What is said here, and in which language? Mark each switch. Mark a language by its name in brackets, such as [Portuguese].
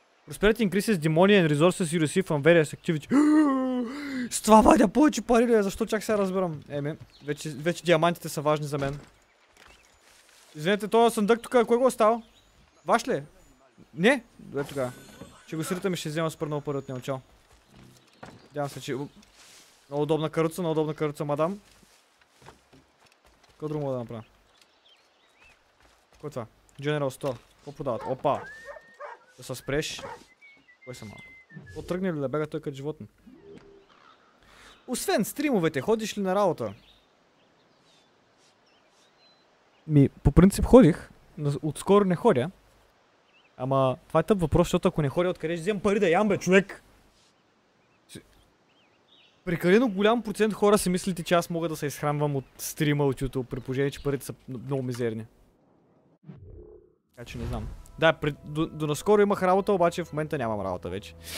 [English] Prosperity increases demonian resources you receive from various activities. [Bulgarian] С това вадя повече пари ли? Защо чак сега разбирам? Еми, вече диамантите са важни за мен. Извинете, този съндък тук, кой го остава? Ваш ли? Не? Добре тогава. Ще го сритам и ще взема супер много пари от него. Чао. Надявам се, че... Много удобна каруца, много удобна каруца, мадам. Какво друго мога да направя? Какво е това? General 100. Какво продават? Опа! Да се спреш. Кой съм малко? Отръгне ли да бега той като животен? Освен стримовете, ходиш ли на работа? Ми, по принцип ходих, но отскоро не ходя. Ама, това е тъп въпрос, защото ако не ходя, откъде ще взем пари да ям, бе, човек! Прекалено голям процент хора си мислите, че аз мога да се изхранвам от стрима, от YouTube, при положение, че парите са много мизерни. Така че не знам. Да, до наскоро имах работа, обаче в момента нямам работа вече.